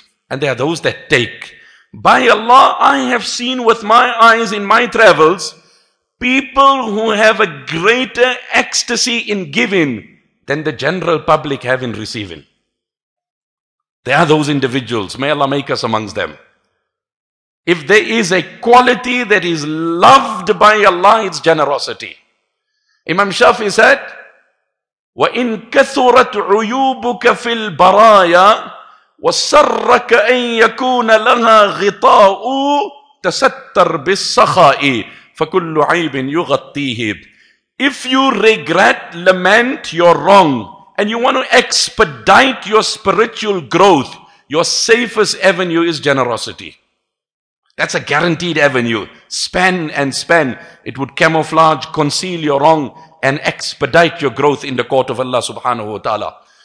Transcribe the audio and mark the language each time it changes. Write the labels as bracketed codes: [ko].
[en] And there are those that take. By Allah, I have seen with my eyes in my travels, people who have a greater ecstasy in giving than the general public have in receiving. They are those individuals. May Allah make us amongst them. If there is a quality that is loved by Allah, it's generosity. Imam Shafi said, [ar] وَإِن كَثُرَتْ عُيُوبُكَ فِي الْبَرَايَا وَسَرَّكَ أَن يَكُونَ لَهَا غِطَاءُ تَسَتَّرْ بِالسَّخَاءِ فَكُلُّ عَيْبٍ يُغَطِّيهِ. [en] If you regret, lament your wrong, and you want to expedite your spiritual growth, your safest avenue is generosity. That's a guaranteed avenue. Spend and spend. It would camouflage, conceal your wrong, and expedite your growth in the court of Allah subhanahu wa ta'ala.